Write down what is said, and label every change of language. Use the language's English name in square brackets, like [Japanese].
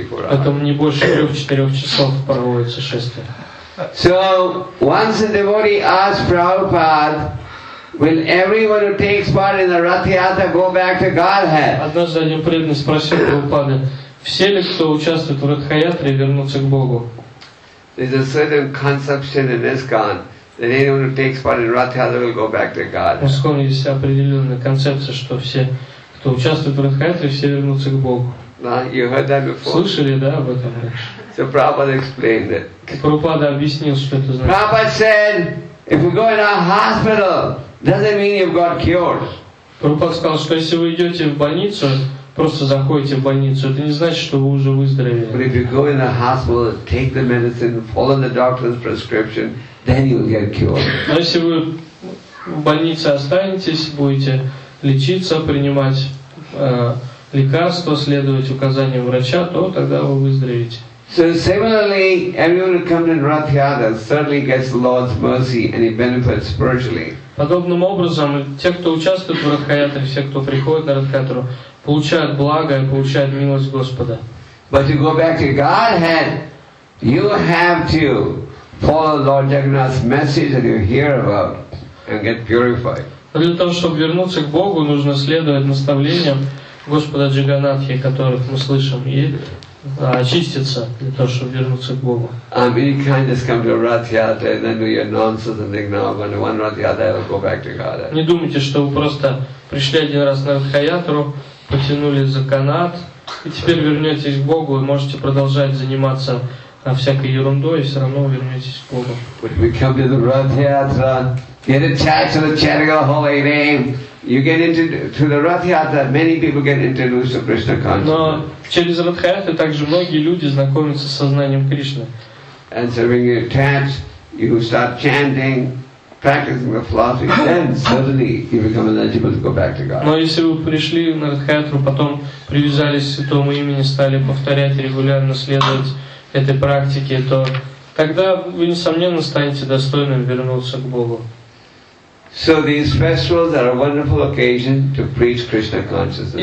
[Russian] Поэтому не больше 3-4 часов проводится шествие. [English] So, once a devotee asks Prabhupada, will everyone who takes part in the Rath Yatra go back to Godhead? [Russian] Однажды один преданный спросил Прабхупады, все ли, кто участвует в Ратха Ятре, вернутся к Богу? [English] There's a certain conception in ISKCON that anyone who takes part in Rath Yatra will go back to God. [Russian] В ISKCON есть определенная концепция, что все, кто участвует в Ратха Ятре, все вернутся к Богу. [English] Nah, you heard that before? [Russian] Слышали, да, об этом? [English] So Prabhupada explained it. [Russian] Прабхупада объяснил, что это значит. [English] Prabhupada said, if you go in a hospital, doesn't mean you've got cured. [Russian] Прабхупада сказал, что если вы идете в больницу, просто заходите в больницу, это не значит, что вы уже выздоровели. [English] But if you go in a hospital, take the medicine, follow the doctor's prescription, then you'll get cured. [Russian] Но если вы в больнице останетесь, будете лечиться, принимать лекарства, следовать указаниям врача, то тогда вы выздоровеете. [English] So similarly, everyone who comes in Rath Yatra certainly gets the Lord's mercy and he benefits spiritually. [Russian] Подобным образом, те, кто участвует в Ратха Ятре, все, кто приходит на Ратха Ятру, получают благо и получают милость Господа. [English] But to go back to Godhead, you have to follow Lord Jagannath's message that you hear about and get purified. [Russian] Но для того, чтобы вернуться к Богу, нужно следовать наставлениям Господа Джаганатхи, которых мы слышим, и очиститься для того, чтобы вернуться к Богу. [English] I mean, you can't just come to Rath Yatra and then do your nonsense and think, no, I'm going to one Rath Yatra, I'll go back to God. [Russian] Не думайте, что вы просто пришли один раз на Ратха Ятру, потянули за канат, и теперь вернетесь к Богу, и можете продолжать заниматься всякой ерундой, и все равно вернетесь к Богу. [English] But we come to the Rath Yatra, get attached to the chanting of the holy name, you get into the Rath Yatra, many people get introduced to Krishna consciousness. [Russian] Через Ратха Ятру также многие люди знакомятся с сознанием Кришны. [English] And so when you attach, you start chanting, practicing the philosophy, then suddenly you become eligible to go back to God. [Russian] Но если вы пришли на Ратха Ятру, потом привязались к святому имени, стали повторять регулярно, следовать этой практике, то тогда вы, несомненно, станете достойным вернуться к Богу. [English] So these festivals are a wonderful occasion to preach Krishna consciousness.